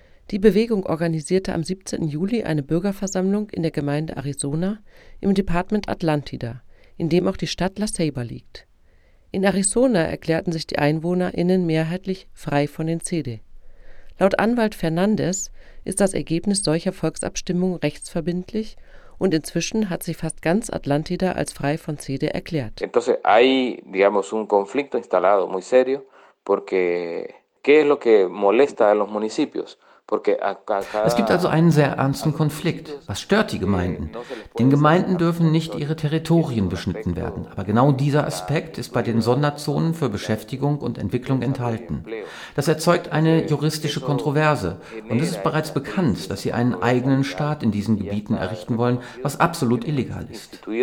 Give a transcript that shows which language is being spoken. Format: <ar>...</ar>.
<de>Die Bewegung organisierte am 17. Juli eine Bürgerversammlung in der Gemeinde Arizona im Department Atlantida, in dem auch die Stadt La Ceiba liegt. In Arizona erklärten sich die EinwohnerInnen mehrheitlich frei von den CEDE. Laut Anwalt Fernandes ist das Ergebnis solcher Volksabstimmungen rechtsverbindlich und inzwischen hat sich fast ganz Atlantida als frei von CEDE erklärt.</de> <es>Entonces hay, digamos, un conflicto instalado muy serio, porque ¿qué es lo que molesta a los municipios?</es> <de>Es gibt also einen sehr ernsten Konflikt. Was stört die Gemeinden? Den Gemeinden dürfen nicht ihre Territorien beschnitten werden. Aber genau dieser Aspekt ist bei den Sonderzonen für Beschäftigung und Entwicklung enthalten. Das erzeugt eine juristische Kontroverse. Und es ist bereits bekannt, dass sie einen eigenen Staat in diesen Gebieten errichten wollen, was absolut illegal ist.</de>